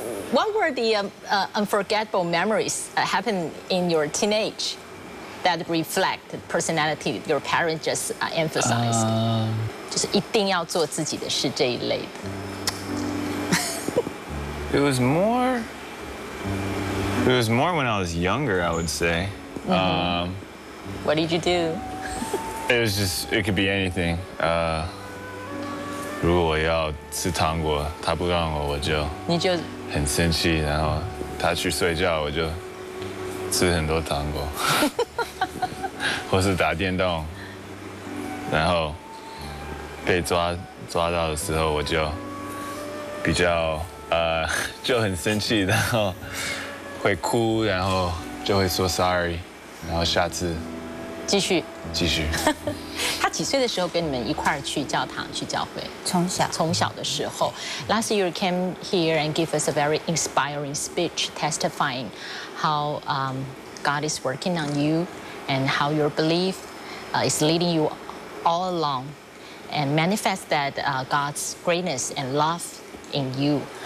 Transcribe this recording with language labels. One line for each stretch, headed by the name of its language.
English: What were the unforgettable memories happened in your teenage that reflect the personality your parents just emphasized?
Chinese: 就是一定要做自己的事这一类的。
English: It was more when I was younger, I would say. Mm-hmm. What did you do? It could be anything.
Chinese: 如果要吃糖果，他不让我，我就很生气，然后他去睡觉，我就吃很多糖果，或是打电动，然后被抓到的时候，我就比较就很生气，然后会哭，然后就会说 sorry， 然后下次继续。他几岁的时候跟你们一块儿去教堂去教会？从小的时候。
English: Last year came here and give us a very inspiring speech, testifying how God is working on you and how your belief is leading you all along and manifest that God's greatness and love in you.